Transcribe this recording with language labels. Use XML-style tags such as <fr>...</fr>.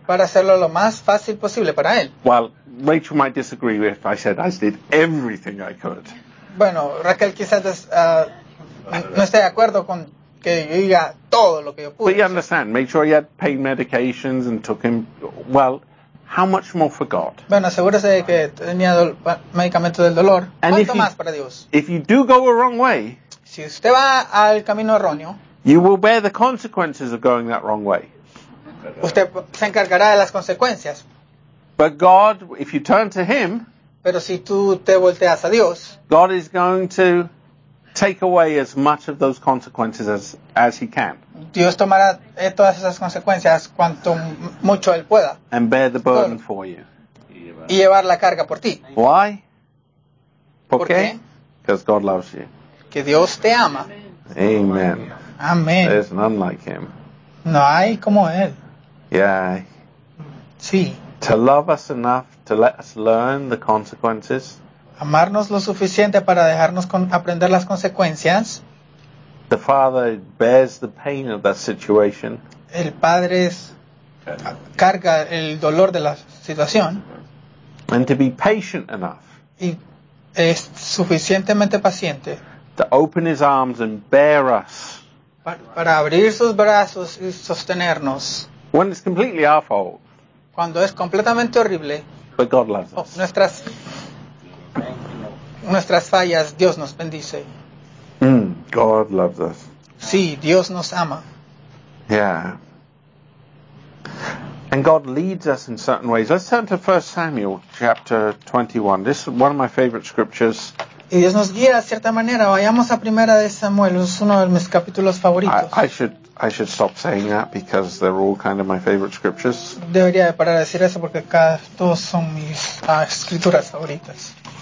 <es>Para hacerlo lo más fácil posible para él.</es> <en>Well, Rachel might disagree if I said I did everything I could.</en> <es>Bueno, Raquel quizás no esté de acuerdo con que yo diga todo lo que yo pude.</es> <en>But you understand, make sure he had pain medications and took him, well, how much more for God?</en> <es>Bueno, asegúrese de que tenía medicamentos del dolor.</es> <en>And</en> <es>¿cuánto más para Dios?</es> <en>If you do go a wrong way,</en> <es>si usted va al camino erróneo,</es> <en>you will bear the consequences of going that wrong way.</en> <es>Usted se encargará de las consecuencias.</es> <en>But God, if you turn to him,</en> <es>pero si tú te volteas a Dios,</es> <en>God is going to take away as much of those consequences as he can.</en> <es>Dios tomará todas esas consecuencias cuanto mucho él pueda.</es> <en>And bear the burden for you.</en> <es>Y llevar la carga por ti.</es> <en>Why?</en> <es>¿Por qué?</es> <en>Because God loves you.</en> <es>Que Dios te ama. Amen. Amen.</es> <en>There's none like him.</en> <es>No hay como él.</es> <en>Yeah.</en> <es>Sí.</es> <en>To love us enough to let us learn the consequences.</en> <es>Amarnos lo suficiente para dejarnos aprender las consecuencias.</es> <en>The Father bears the pain of that situation.</en> <es>El Padre carga el dolor de la situación.</es> <en>And to be patient enough.</en> <es>Y es suficientemente paciente.</es> <en>To open his arms and bear us.</en> <es>Para abrir sus brazos y sostenernos.</es> <en>When it's completely our fault.</en> <es>Cuando es completamente horrible.</es> <en>But God loves us.</en> <es>Nuestras fallas, Dios nos bendice.</es> <en>God loves us.</en> <es>Sí, Dios nos ama.</es> <en>Yeah. And God leads us in certain ways. Let's turn to 1 Samuel chapter 21. This is one of my favorite scriptures.</en> <es>Y Dios nos guía de cierta manera. Vayamos a Primera de Samuel. Es uno de mis capítulos favoritos.</es> <en>I should stop saying that because they're all kind of my favorite scriptures.</en> <es>Debería de parar de decir eso porque todos son mis escrituras favoritas.</es>